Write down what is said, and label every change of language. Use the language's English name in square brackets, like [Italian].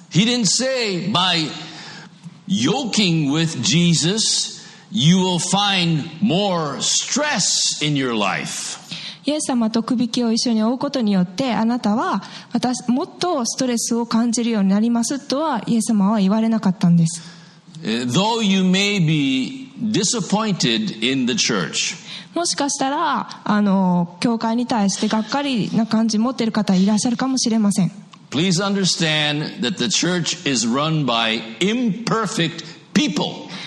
[English] He didn't say by yoking with Jesus, you will find more stress in your life. [Japanese] イエス様と首輝きを一緒に追うことによってあなたは私もっとストレスを感じるようになりますとはイエス様は言われなかったんです。 [English] Though you may be disappointed in the church. [Japanese] もしかしたら教会に対してがっかりな感じ持っている方いらっしゃるかもしれません。 [English] Please understand that the church is run by imperfect people.